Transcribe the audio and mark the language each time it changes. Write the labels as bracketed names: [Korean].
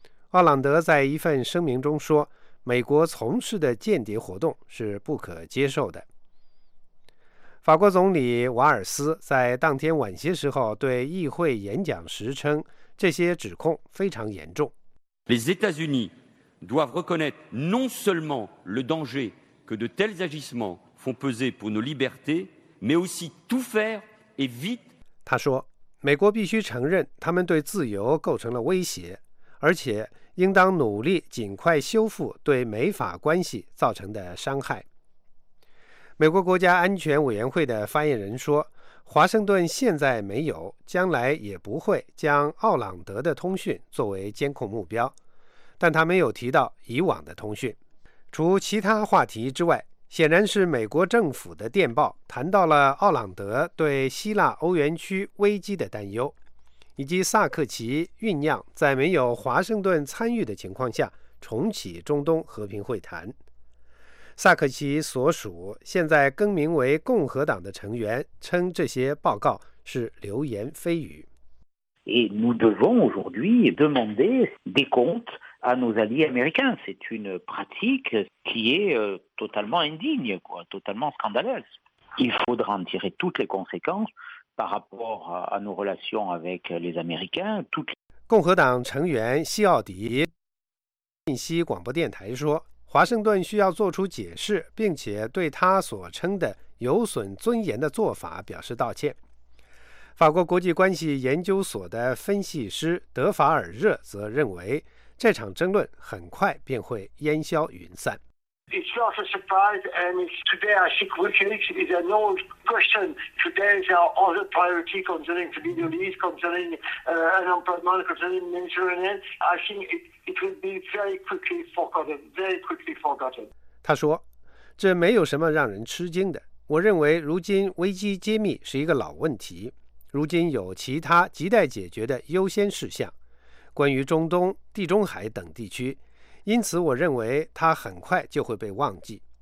[Chinese] 奥朗德在一份声明中说，美国从事的间谍活动是不可接受的。法国总理瓦尔斯在当天晚些时候对议会演讲时称，这些指控非常严重。 [French] Les États-Unis doivent reconnaître non seulement le danger que de tels agissements font peser pour nos libertés, mais aussi tout faire et vite. [Chinese] 他说，美国必须承认他们对自由构成了威胁，而且应当努力尽快修复对美法关系造成的伤害。美国国家安全委员会的发言人说，华盛顿现在没有，将来也不会将奥朗德的通讯作为监控目标，但他没有提到以往的通讯。除其他话题之外，显然是美国政府的电报谈到了奥朗德对希腊欧元区危机的担忧，以及萨克奇酝酿在没有华盛顿参与的情况下重启中东和平会谈。萨克奇所属现在更名为共和党的成员称这些报告是流言蜚语。 [French] Et nous devons aujourd'hui demander des comptes à nos alliés américains. C'est une pratique qui est totalement indigne, quoi, totalement scandaleuse. Il faudra en tirer toutes les conséquences par rapport à nos relations avec les Américains. [Chinese] 共和党成员西奥迪信息广播电台说，华盛顿需要做出解释，并且对他所称的有损尊严的做法表示道歉。法国国际关系研究所的分析师德法尔热则认为，这场争论很快便会烟消云散。 [English] It's not a surprise, and today I think Wikileaks is an old question. Today there are other priorities concerning the Middle East, concerning unemployment, concerning Mediterranean. I think it will be very quickly forgotten, very quickly forgotten. [Chinese] 他说，这没有什么让人吃惊的。我认为如今危机揭秘是一个老问题，如今有其他亟待解决的优先事项，关于中东、地中海等地区，因此我认为它很快就会被忘记。